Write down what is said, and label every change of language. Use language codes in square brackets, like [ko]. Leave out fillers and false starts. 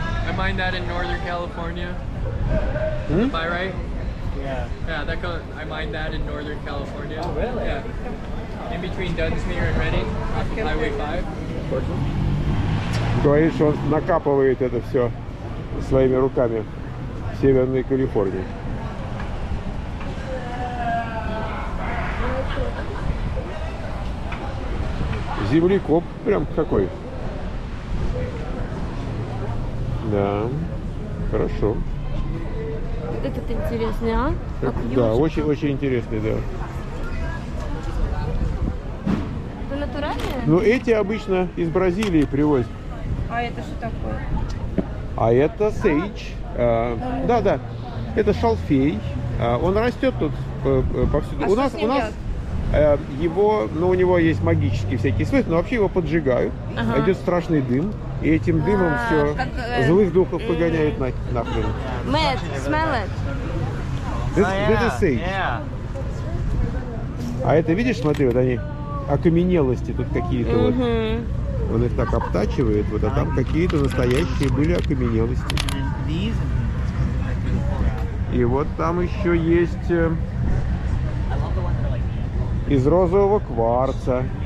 [en] I mine that in Northern California. Am I right? Yeah, that I mine that in Northern California. Oh, really? Yeah. In between Dunsmuir and Reading, off of Highway 5. [ru] Говорит, что он накапывает это все своими руками в Северной Калифорнии. Землекоп прям какой. Да, хорошо. Этот интересный, а? Так, да, очень-очень интересный, да. Это натуральное? Ну, эти обычно из Бразилии привозят. А это что такое? А это сейдж. Да-да, это шалфей. Он растет тут повсюду. А у нас, его, ну, у него есть магические всякие свойства, но вообще его поджигают. Ага. Идет страшный дым. И этим дымом все злых духов погоняют нахрен. [en] Мэтт, smell it. This is sage. Yeah. [ru] А это, видишь, смотри, вот они, окаменелости тут какие-то вот. Он их так обтачивает, вот, а там какие-то настоящие были окаменелости. И вот там еще есть из розового кварца.